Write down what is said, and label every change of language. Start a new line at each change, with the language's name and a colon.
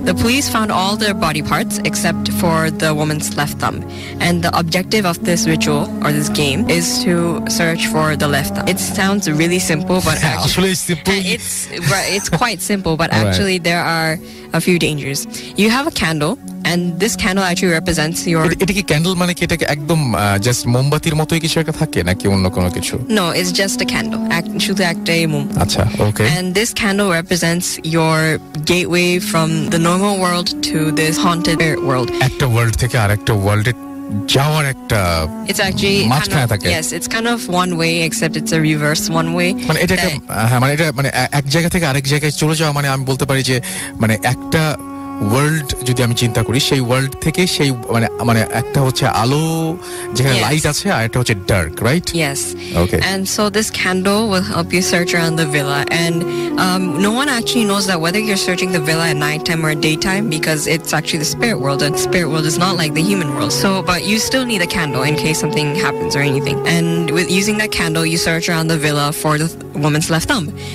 English: The police found all their body parts except for the woman's left thumb. And the objective of this ritual, or this game, is to search for the left thumb. It sounds really simple, but actually... Actually, simple. It's quite simple, but actually, right. There are are a few dangers. You have a candle, and this candle actually represents your...
Bangla: এটাকে candle মানে কি এটাকে একদম just মোমবাতির মতোই কিছু একটা থাকে নাকি অন্য কোনো কিছু?
English: No, it's just a candle.
Bangla: শুধু একটাই মোম. আচ্ছা, okay.
English: And this candle represents your gateway from the normal world to this haunted world.
Bangla: একটা ওয়ার্ল্ড থেকে আরেকটা ওয়ার্ল্ডে যাওয়ার একটা মাঝখানে থাকে.
English: Yes, it's kind of one way, except it's a reverse one way.
Bangla: মানে এটা মানে এটা মানে এক জায়গা থেকে আরেক জায়গায় চলে যাওয়া মানে আমি বলতে পারি যে মানে একটা ওয়ার্ল্ড যদি আমি চিন্তা করি সেই ওয়ার্ল্ড থেকে সেই মানে মানে একটা হচ্ছে আলো যেখানে লাইট আছে আর একটা হচ্ছে dark, right?
English: Yes. Okay. And so this candle will help you search around the villa, and no one actually knows that whether you're searching the villa at night time or daytime, because it's actually the spirit world, and spirit world is not like the human world. So but you still need a candle in case something happens or anything. And with using that candle you search around the villa for the woman's left thumb.